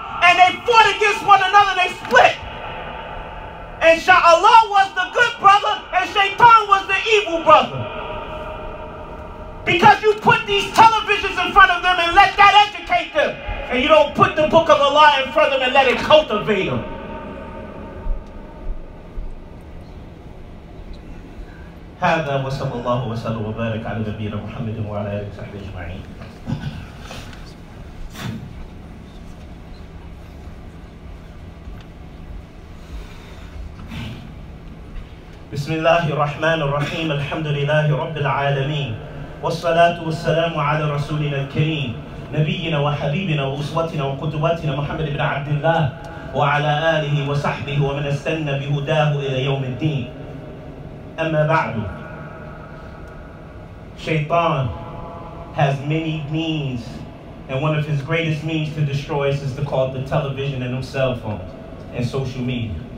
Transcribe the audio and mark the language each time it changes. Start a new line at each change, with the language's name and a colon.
English: And they fought against one another and they split. And Allah was the good brother and Shaitan was the evil brother. Because you put these televisions in front of them and let that educate them. And you don't put the book of Allah in front of them and let it cultivate them.
Arabic: هذا وصلى الله وسلم وبارك على نبينا محمد وعلى آله وصحبه أجمعين. بسم الله الرحمن الرحيم الحمد لله رب العالمين والصلاة والسلام على رسولنا الكريم نبينا وحبيبنا وأسوتنا وقدوتنا محمد بن عبد الله وعلى آله وصحبه ومن استنى بهداه إلى يوم الدين. أما بعد,
English: Shaitan has many means, and one of his greatest means to destroy us is to call the television and them cell phones and social media.